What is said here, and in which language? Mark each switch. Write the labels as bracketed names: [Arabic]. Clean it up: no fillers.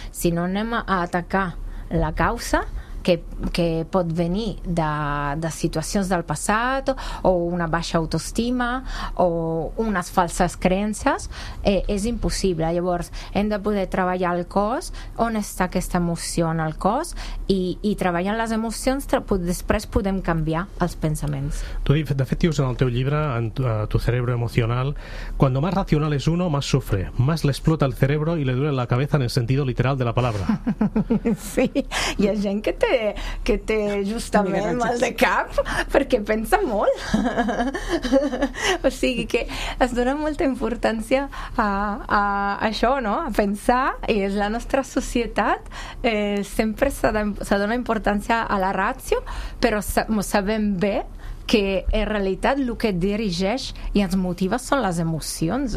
[Catalan] Si no anem a atacar la causa, que pot venir de situacions del passat o una baixa autoestima o unes falses creences, és impossible. Llavors hem de poder treballar el cos, on està aquesta emoció en el cos, i treballant les emocions després podem canviar els pensaments. Tu, de fet, dius en el teu llibre, [Spanish] en tu cerebro emocional, cuando más racional es uno, más sufre, más le explota el cerebro y le duele la cabeza en el sentido literal de la palabra. [Catalan] Sí, hi ha gent que té justament mal de cap perquè pensa molt. O sigui que es dona molta importància a això, no? A pensar, i és la nostra societat, sempre se dona importància a la ràtio, però sabem bé que en realitat el que dirigeix i ens motiva són les emocions.